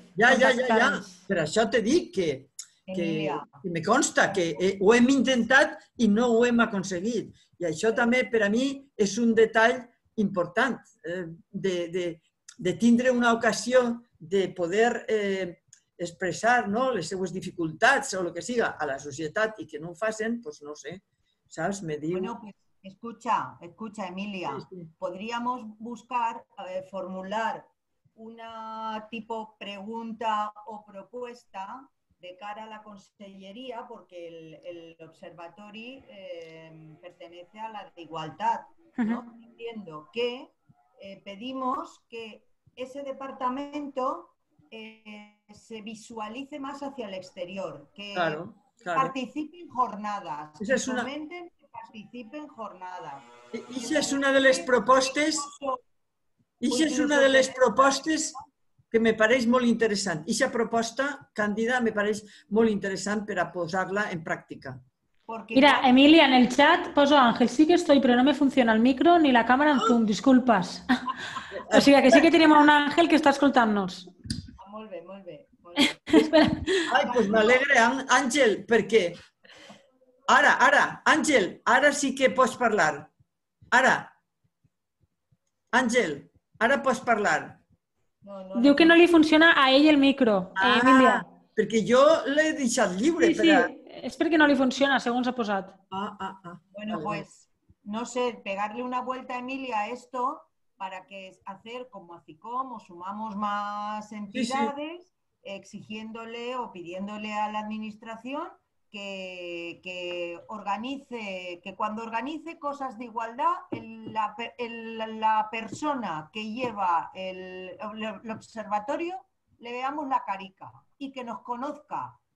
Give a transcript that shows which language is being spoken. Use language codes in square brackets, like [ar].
[ca] Ja. Per això et dic que me consta que ho hem intentat i no ho hem aconseguit. I això també per a mi és un detall important de tindre una ocasió de poder expressar, no, les seues dificultats o el que siga a la societat i que no ho facin, doncs no ho sé, [es] ¿sabes? Me digo... Bueno, pues escucha, Emilia, sí, sí. Podríamos buscar, formular una tipo pregunta o propuesta de cara a la consellería, porque el observatorio pertenece a la de igualdad, ¿no? Uh-huh. Entiendo que pedimos que ese departamento se visualice más hacia el exterior, que claro. participe en jornadas, esa es una... que participe en jornadas. ¿Y si es una de las propuestas? [ca] I això és una de les propostes que me pareix molt interessant. I aquesta proposta, Càndida, me pareix molt interessant per a posar-la en pràctica. [es] Mira, Emilia, en el chat poso Ángel, sí que estoy, pero no me funciona el micro ni la cámara en Zoom, disculpas. [ca] O sigui, que sí que tenim un Ángel que està escoltant-nos. Molt bé. Ai, pues m'alegre, Àngel, perquè... Ara, Àngel, ara sí que pots parlar. Ara. Àngel. Ara pots parlar. No. Diu que no li funciona a ell el micro, Emilia. Ah, perquè jo l'he deixat lliure. Sí, sí. És perquè no li funciona, segons ha posat. [es] Bueno, vale. Pues, no sé, pegarle una vuelta a Emilia a esto para que hacer como a FICOM o sumamos más entidades, sí, sí. Exigiéndole o pidiéndole a la administración que organice, que cuando organice cosas de igualdad, la persona que lleva el observatorio le veamos la carica y que nos conozca.